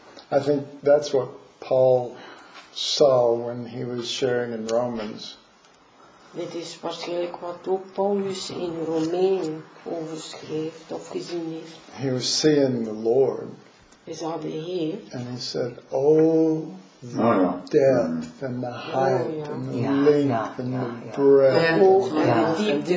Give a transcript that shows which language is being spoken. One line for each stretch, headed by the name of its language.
English: I think that's what Paul saw when he was sharing in Romans.
Dutch: Dit is waarschijnlijk wat ook Paulus in Romeinen overschrijft of gezien heeft.
English: He was seeing the Lord.
Dutch: Hij zag de Heer.
English: And he said, depth and the height and the length and the breadth.